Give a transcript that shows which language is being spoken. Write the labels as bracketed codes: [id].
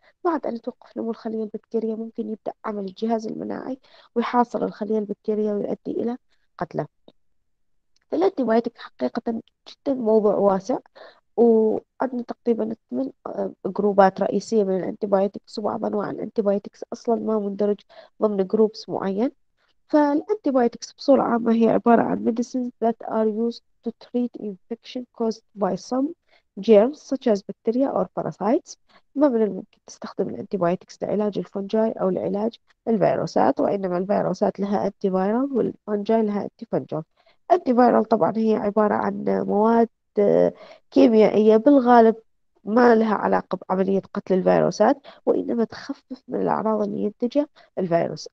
[ar] بعد أن توقف نمو الخلية البكتيرية ممكن يبدأ عمل الجهاز المناعي ويحاصر الخلية البكتيرية ويؤدي إلى قتله. الأنتيبايوتيك حقيقة جدا موضوع واسع، وعندنا تقريبا 8 جروبات رئيسية من الأنتيبايوتيكس، وبعض أنواع الأنتيبايوتيكس أصلا ما مندرج ضمن جروبس معين. فالأنتيبايوتيكس بصورة عامة هي عبارة عن [en] medicines that are used to treat infection caused by some germs such as bacteria or parasites. [ar] ما من الممكن تستخدم الأنتيبايوتيكس لعلاج الفنجاي أو لعلاج الفيروسات، وإنما الفيروسات لها أنتيفيرال والفنجاي لها أنتيفنجال. أنتيفيرال طبعا هي عبارة عن مواد كيميائية بالغالب ما لها علاقة بعملية قتل الفيروسات، وإنما تخفف من الأعراض اللي ينتجها الفيروس.